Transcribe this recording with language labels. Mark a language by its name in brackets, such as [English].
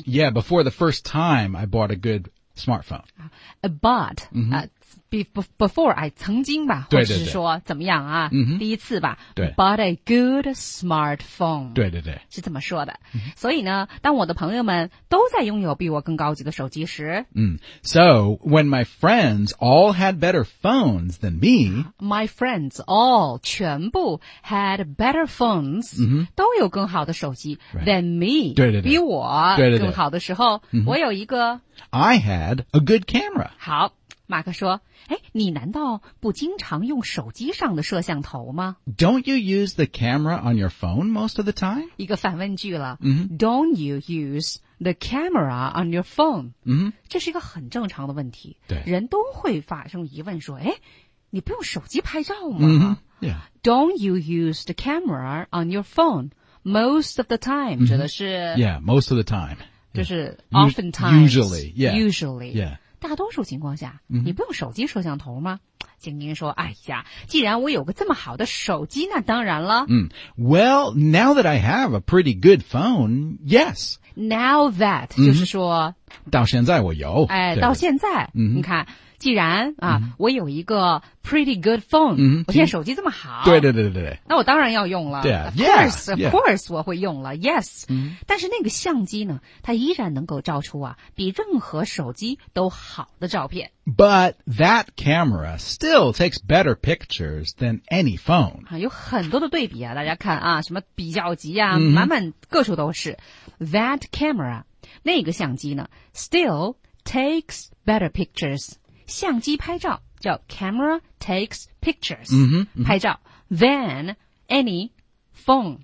[English] Yeah before the first time I bought a goodSmartphone. But,、before I [Chinese] 曾经吧对对对或者是说怎么样啊、第一次吧对 [English] bought a good smartphone. [Chinese] 对对对。是这么说的。所以呢当我的朋友们都在拥有比我更高级的手机时。 [English] So, when my friends all had better phones than me. My friends all, [Chinese] 全部 [English] had better phones,、 [Chinese] 都有更好的手机、 [English] than me. [Chinese] 对对对。比我更好的时候对对对我有一个 [English] I had a good camera. [Chinese] 好马克说诶你难道不经常用手机上的摄像头吗 [English] Don't you use the camera on your phone most of the time? [Chinese] 一个反问句了、 mm-hmm. [English] Don't you use the camera on your phone?、 Mm-hmm. [Chinese] 这是一个很正常的问题对人都会发生疑问说诶你不用手机拍照吗、 mm-hmm. yeah. [English] Don't you use the camera on your phone most of the time?、 [Chinese] 指的是 [English] Yeah, most of the time. [Chinese] 就是 [English] oftentimes, usually, yeah, usually, yeah. [Chinese] 大多数情况下、你不用手机摄像头吗静音说哎呀既然我有个这么好的手机那当然了。 [English] Well, now that I have a pretty good phone, yes. Now that,、 [Chinese] 就是说到现在我有。哎到现在、你看既然啊、我有一个 [English] pretty good phone,、 [Chinese] 我现在手机这么好。对对对对对。那我当然要用了。对、 [English] Of course, [Chinese] 我会用了 ,yes.、但是那个相机呢它依然能够照出啊比任何手机都好的照片。 [English] But that camera still takes better pictures than any phone.、 [Chinese] 有很多的对比啊大家看啊什么比较级啊、满满各处都是。 [English] That camera, [Chinese] 那个相机呢 [English] still takes better pictures. [Chinese] 相机拍照叫 [English] camera takes pictures, 拍照 than any phone.